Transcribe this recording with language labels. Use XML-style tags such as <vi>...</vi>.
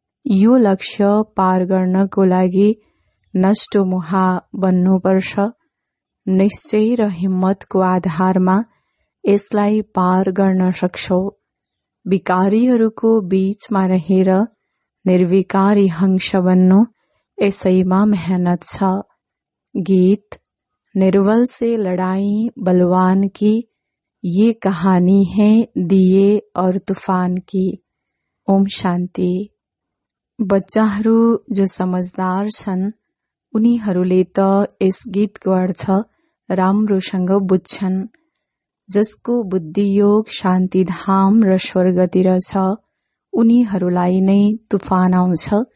<ne>यो लक्ष्य पार गर्नको लागि नष्ट मुहा बन्नुपर्छ। निश्चय र हिम्मतको आधारमा यसलाई पार गर्न सक्छौ। विकारीहरूको बीचमा रहेर निर्विकारी हंस बन्नु यसैमा मेहनत छ।</ne> <hi>गीत: निर्बल से लडाई बलवान की, ये कहानी है दिए और तूफान की।</hi> <ne>ओम शांति। बच्चाहरू जो समझदार छन् उनीहरूले त यस गीतको अर्थ राम्रोसँग बुझ्छन्। जसको बुद्धियोग शान्ति धाम र स्वर्गतिर छ उनीहरूलाई नै तुफान आउँछ।</ne>